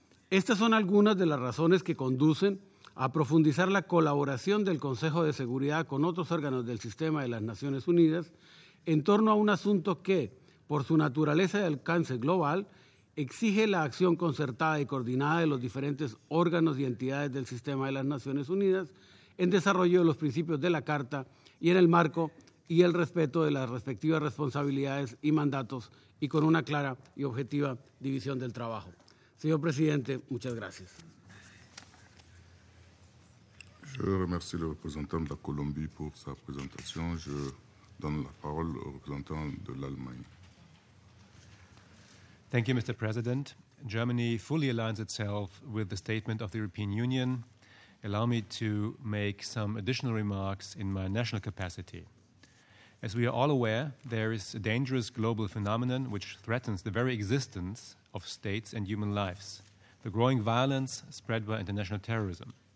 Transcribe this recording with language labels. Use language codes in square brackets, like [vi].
[es] Estas son algunas de las razones que conducen a profundizar la colaboración del Consejo de Seguridad con otros órganos del sistema de las Naciones Unidas en torno a un asunto que, por su naturaleza de alcance global, exige la acción concertada y coordinada de los diferentes órganos y entidades del sistema de las Naciones Unidas en desarrollo de los principios de la Carta y en el marco y el respeto de las respectivas responsabilidades y mandatos y con una clara y objetiva división del trabajo. Señor presidente, muchas gracias. [fr] Je remercie le représentant de la Colombie pour sa présentation. Je donne la parole au représentant de l'Allemagne. [en] Thank you, Mr. President. Germany fully aligns itself with the statement of the European Union. Allow me to make some additional remarks in my national capacity. As we are all aware, there is a dangerous global phenomenon which threatens the very existence of states and human lives, the growing violence spread by international terrorism.